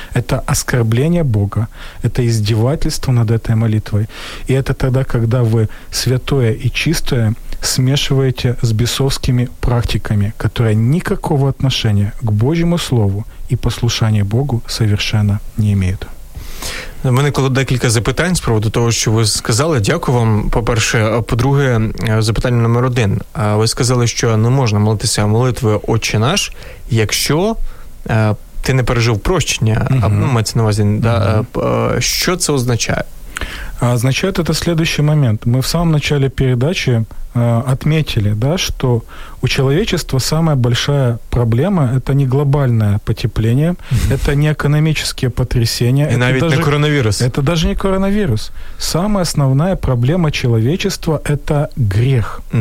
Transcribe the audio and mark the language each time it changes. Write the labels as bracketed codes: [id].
[ru] Это оскорбление Бога, это издевательство над этой молитвой. И это тогда, когда вы святое и чистое смешиваете с бесовскими практиками, которые никакого отношения к Божьему Слову и послушанию Богу совершенно не имеют. [uk] У мене було декілька запитань з приводу того, що ви сказали. Дякую вам, по-перше. А по-друге, запитання номер один. Ви сказали, що не можна молитися молитвою «Отче наш», якщо ти не пережив прощення, ну, мається на увазі, да, що це означає? [ru] Означает это следующий момент. Мы в самом начале передачи отметили, да, что у человечества самая большая проблема – это не глобальное потепление, это не экономические потрясения. [uk] И навіть не коронавирус. [ru] Это даже не коронавирус. Самая основная проблема человечества – это грех.